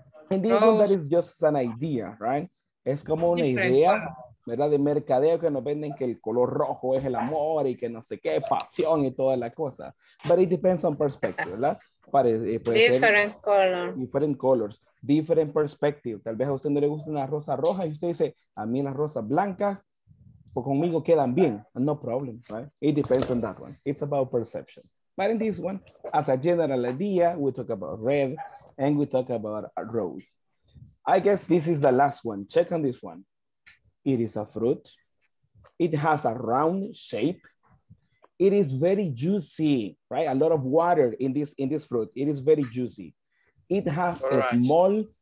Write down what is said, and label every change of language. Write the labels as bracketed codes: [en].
[en] And this rose. One that is just an idea, right? [es] Es como una [en] different idea. [es] Color. ¿Verdad? De mercadeo que nos venden que el color rojo es el amor y que no sé qué, pasión y toda la cosa. [en] But it depends on perspective, ¿verdad? Different colors. Different perspective. [es] Tal vez a usted no le gusta una rosa roja y usted dice, a mí las rosas blancas pues conmigo quedan bien. [en] No problem, right? It depends on that one. It's about perception. But in this one, as a general idea, we talk about red and we talk about a rose. I guess this is the last one. Check on this one. It is a fruit. It has a round shape. It is very juicy, right? A lot of water in this fruit. It is very juicy. It has a small